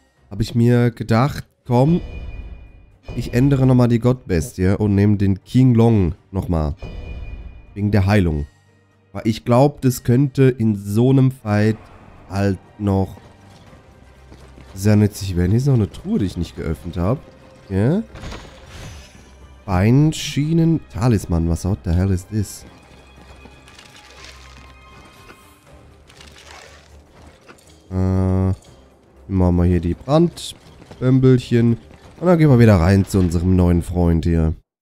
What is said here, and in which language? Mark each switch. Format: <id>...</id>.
<de>Habe ich mir gedacht, komm, ich ändere nochmal die Gottbestie und nehme den King Long nochmal. Wegen der Heilung. Weil ich glaube, das könnte in so einem Fight halt noch sehr nützlich werden. Hier ist noch eine Truhe, die ich nicht geöffnet habe. Okay. Beinschienen.</de> <en>Talisman, was out the hell is this?</en> <de>Machen wir hier die Brandbömbelchen. Und dann gehen wir wieder rein zu unserem neuen Freund hier.</de>